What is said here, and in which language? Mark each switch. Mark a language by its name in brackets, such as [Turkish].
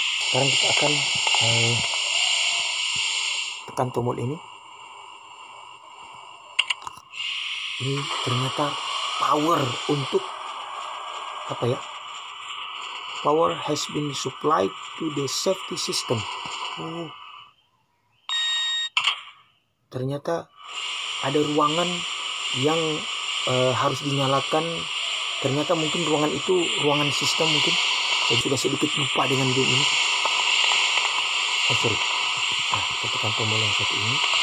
[Indonesian] Sekarang kita akan tekan tombol ini. Ini ternyata power untuk apa ya? [English] Power has been supplied to the safety system. [Indonesian] Ternyata ada ruangan yang harus dinyalakan. Ternyata mungkin ruangan itu ruangan sistem mungkin. Saya sudah sedikit lupa dengan game ini. [English] Oh, sorry. [Indonesian] Nah, kita tekan tombol yang satu ini.